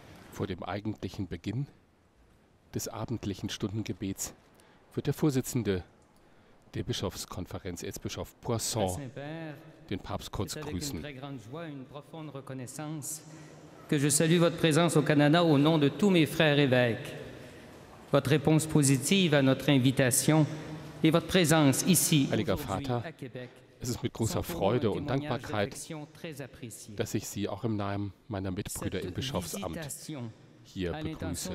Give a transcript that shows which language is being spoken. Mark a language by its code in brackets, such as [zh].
[de] Vor dem eigentlichen Beginn des abendlichen Stundengebets wird der Vorsitzende der Bischofskonferenz, Erzbischof Poisson, den Papst kurz grüßen. [fr] Une très grande joie, une profonde reconnaissance que je salue votre présence au Canada au nom de tous mes frères évêques. Votre réponse positive à notre invitation et votre présence ici. [de] Heiliger Vater, es ist mit großer Freude und Dankbarkeit, dass ich Sie auch im Namen meiner Mitbrüder im Bischofsamt hier begrüße.